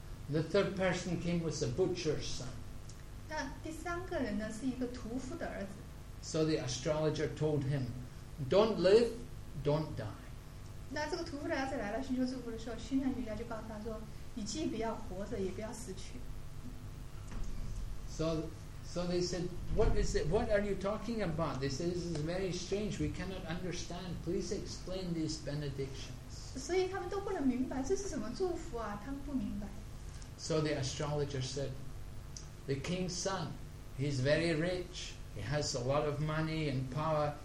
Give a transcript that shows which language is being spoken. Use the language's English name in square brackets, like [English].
[English] The third person came was a butcher's son. [Chinese] 那第三个人呢，是一个屠夫的儿子。 [English] So the astrologer told him, "Don't live, don't die." [Chinese] 那这个屠夫的儿子来了寻求祝福的时候，星象学家就告诉他说：“你既不要活着，也不要死去。” [English] So they said, "What is it? What are you talking about?" They said, "This is very strange. We cannot understand. Please explain these benedictions." [Chinese] 所以他们都不能明白这是什么祝福啊，他们不明白。 [English] So the astrologer said, "The king's son, he's very rich. He has a lot of money and power.